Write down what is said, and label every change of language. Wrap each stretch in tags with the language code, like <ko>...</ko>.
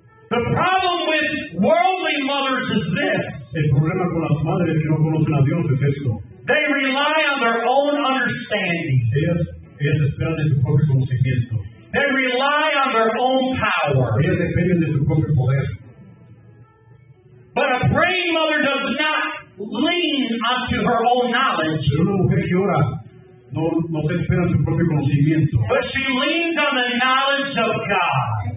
<en>The problem with worldly mothers is this.</en> <es>El problema con las madres que no conocen a Dios es esto.</es> <en>They rely on their own understanding.</en> <es>Ellas esperan de su propio conocimiento.</es> <en>They rely on their own power.</en> <es>Ellas dependen de su propio poder.</es> <en>But a praying mother does not lean onto her own knowledge.</en> <es>Pero una mujer que ora no se espera su propio conocimiento.</es> <en>But she leans on the knowledge of God.</en>